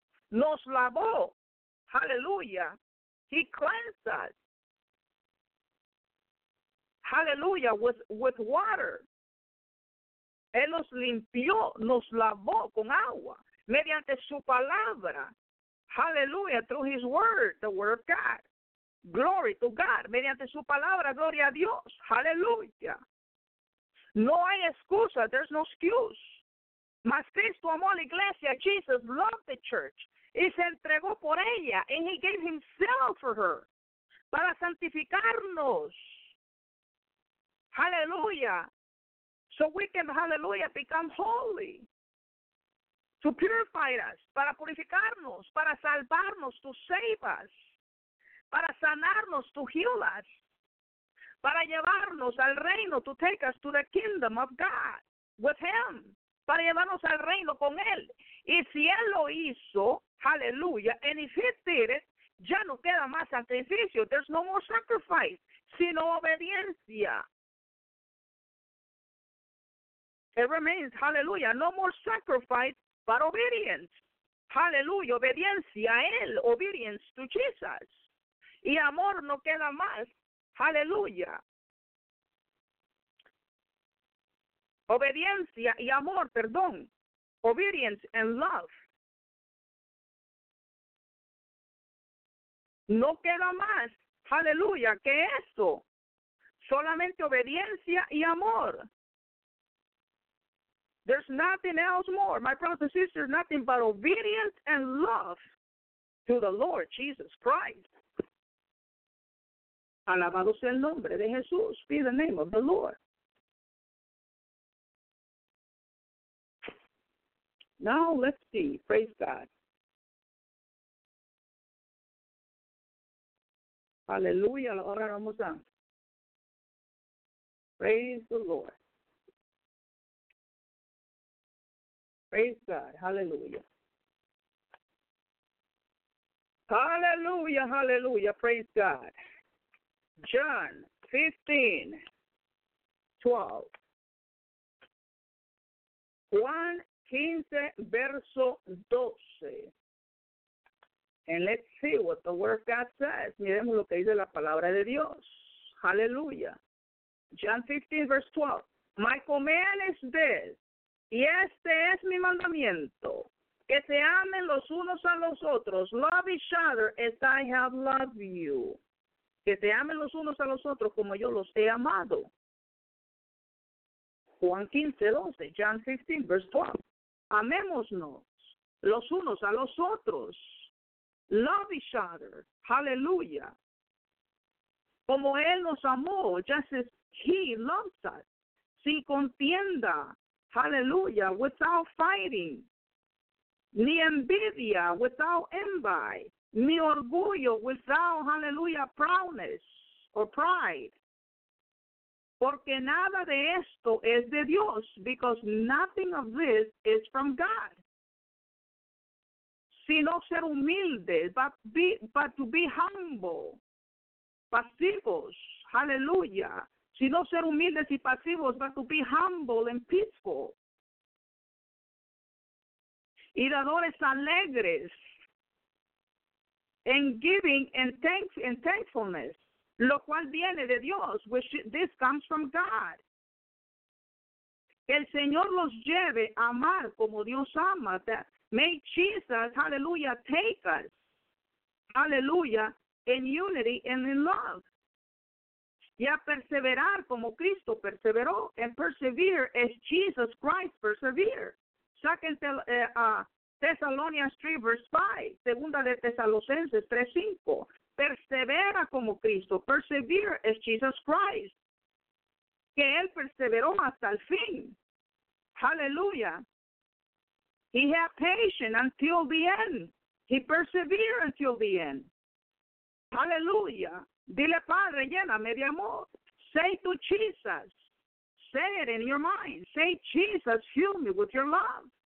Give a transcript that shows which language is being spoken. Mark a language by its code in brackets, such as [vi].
[es] Nos lavó. [en] Hallelujah. He cleansed us. Hallelujah, with water. [es] Él nos limpió, nos lavó con agua, mediante su palabra. [en] Hallelujah, through his word, the word of God. Glory to God, [es] mediante su palabra, gloria a Dios. [en] Hallelujah. [es] No hay excusa, [en] there's no excuse. [es] Mas Cristo amó la iglesia, [en] Jesus loved the church, [es] y se entregó por ella, [en] and he gave himself for her, [es] para santificarnos. Hallelujah. [en] So we can, hallelujah, become holy. To purify us, [es] para purificarnos, para salvarnos, [en] to save us, [es] para sanarnos, [en] to heal us. [es] Para llevarnos al reino, [en] to take us to the kingdom of God with him. [es] para llevarnos al reino con él. Y si él lo hizo, aleluya, [en] and if he did it, [es] ya no queda más sacrificio. [en] There's no more sacrifice, [es] sino obediencia. [en] It remains, aleluya, no more sacrifice, but obedience. [es] Aleluya, obediencia a él, [en] obedience to Jesus. [es] Y amor no queda más, aleluya. Obediencia y amor, perdón. [en] Obedience and love. [es] No queda más, aleluya, que eso. Solamente obediencia y amor. [en] There's nothing else more, my brothers and sisters, nothing but obedience and love to the Lord Jesus Christ. [es] Alabado sea el nombre de Jesús. [en] Be the name of the Lord. Now let's see. Praise God. [es] Hallelujah. Ahora vamos a. [en] Praise the Lord. Praise God. Hallelujah. Hallelujah. Hallelujah. Praise God. John 15, 12. [es] Juan 15, verso 12. [en] And let's see what the word of God says. [es] Miremos lo que dice la palabra de Dios. Hallelujah. [en] John 15, verse 12. My command is this. [es] Y este es mi mandamiento, que se amen los unos a los otros. [en] Love each other as I have loved you. [es] Que se amen los unos a los otros como yo los he amado. Juan 15, 12. [en] John 15, verse 12. [es] Amémonos los unos a los otros. [en] Love each other. Hallelujah. [es] Como él nos amó, [en] just as he loves us. [es] Sin contienda. [en] Hallelujah, without fighting, [es] ni envidia, [en] without envy, [es] ni orgullo, [en] without, hallelujah, proudness, or pride. [es] Porque nada de esto es de Dios, [en] because nothing of this is from God. [es] Sino ser humildes, [en] but to be humble, [es] pasivos, hallelujah. Sino ser humildes y pasivos, [en] but to be humble and peaceful. [es] Y dadores alegres. [en] And giving and thankfulness. [es] Lo cual viene de Dios, [en] which this comes from God. [es] Que el Señor los lleve a amar como Dios ama. [en] That may Jesus, hallelujah, take us. Hallelujah, in unity and in love. [es] Y a perseverar como Cristo perseveró. [en] And persevere as Jesus Christ persevered. Second Thessalonians 3, verse 5. [es] Segunda de Tesalonicenses 3, 5. Persevera como Cristo. [en] Persevere as Jesus Christ. [es] Que él perseveró hasta el fin. Hallelujah. [en] He had patience until the end. He persevered until the end. [es] Hallelujah. Dile, Padre, lléname de amor. [en] Say to Jesus. Say it in your mind. Say, Jesus, fill me with your love.